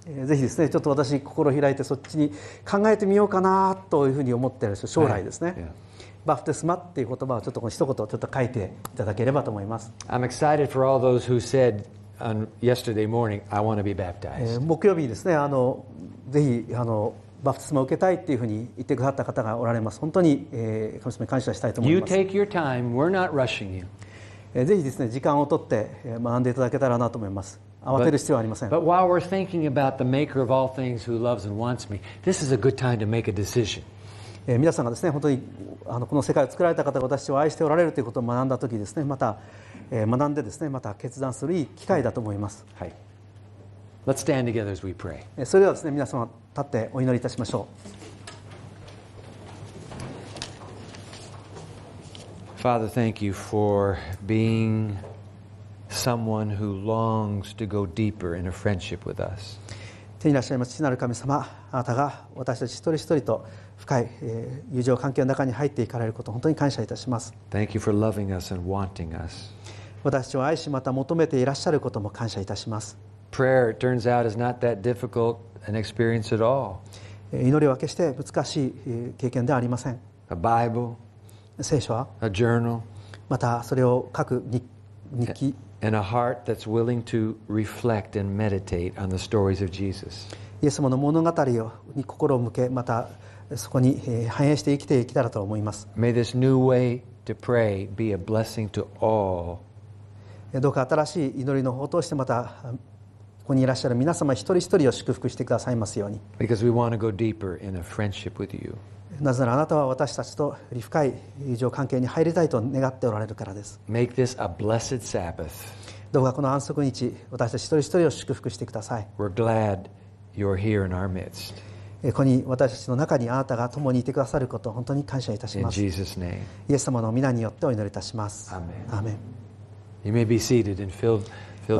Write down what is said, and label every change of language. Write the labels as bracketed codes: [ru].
[ja] ぜひですね、ちょっと私心を開いてそっちに考えてみようかなというふうに思っている人、将来ですね、バプテスマっていう言葉をちょっと一言ちょっと書いていただければと思います。 [en] I'm excited for all those who said on yesterday morning I want to be baptized。 [ja] 木曜日ですね、ぜひバプテスマを受けたいっていうふうに言ってくださった方がおられます。本当に、神様に感謝したいと思います。 [en] You take your time. We're not rushing you. [ja] ぜひですね、時間を取って学んでいただけたらなと思います。慌てる必要はありません。 [en] But while we're thinking about the maker of all things who loves and wants me, this is a good time to make a decision. [ja] 皆さんがですね、本当にこの世界を作られた方が私を愛しておられるということを学んだときですね、また、学んでですね、また決断するいい機会だと思います。はい。 [en] Let's stand together as we pray. [ja] それではですね、皆様立ってお祈りいたしましょう。 [en] Father, thank you for being someone who longs to go deeper in a friendship with us. [ja] 天にいらっしゃいます父なる神様、あなたが私たち一人一人と深い、友情関係の中に入っていかれることを本当に感謝いたします。 [en] Thank you for loving us and wanting us. [ja] 私たちを愛しまた求めていらっしゃることも感謝いたします。 [en] Prayer, it turns out, is not that difficult an experience at all. [ja] 祈りは決して難しい経験ではありません。 [en] A Bible, [ja] 聖書は、 [en] A journal, [ja] またそれを書く日記、 [en] And a heart that's willing to reflect and meditate on the stories of Jesus. [ja] イエス様の物語に心を向け、またそこに反映して生きていけたらと思います。 [en] May this new way to pray be a blessing to all. [ja] どうか新しい祈りの方として、またここにいらっしゃる皆様一人一人を祝福してくださいますように。 [en] Because we want to go deeper in a friendship with you. [ja] なぜならあなたは私たちと深い友情関係に入りたいと願っておられるからです。 [en] Make this a blessed Sabbath. [ja] どうかこの安息日、私たち一人一人を祝福してください。 [en] We're glad you're here in our midst. [ja] ここに私たちの中にあなたが共にいてくださることを本当に感謝いたします。 [en] In Jesus' name. [ja] イエス様の御名によってお祈りいたします。 [en] Amen. Amen. You may be seated and fill the card.